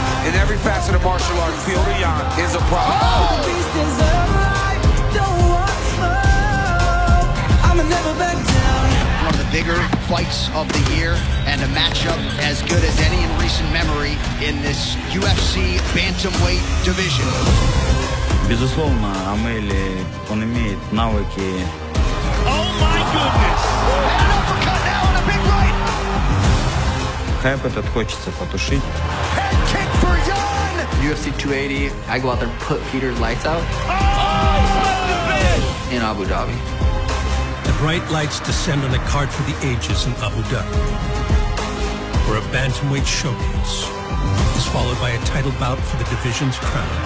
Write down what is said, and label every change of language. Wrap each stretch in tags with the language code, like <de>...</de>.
<en>in every facet of martial arts, Pyotr Yan is a problem. Oh! The beast is alive. Don't watch smoke. I'ma never back down. One of the bigger fights of the year. And a matchup as good as any in recent memory in this UFC bantamweight division.</en> <ru>Безусловно, Амели, он имеет навыки.</ru> <en>Oh my goodness! And an uppercut now on a big right!</en> <ru>Хайп этот хочется потушить.</ru> <en>Head kick for Yan! UFC 280, I go out there and put Peter's lights out. Oh, son of a bitch! In Abu Dhabi. The bright lights descend on the card for the ages in Abu Dhabi. For a bantamweight showcase is followed by a title bout for the division's crown.</en>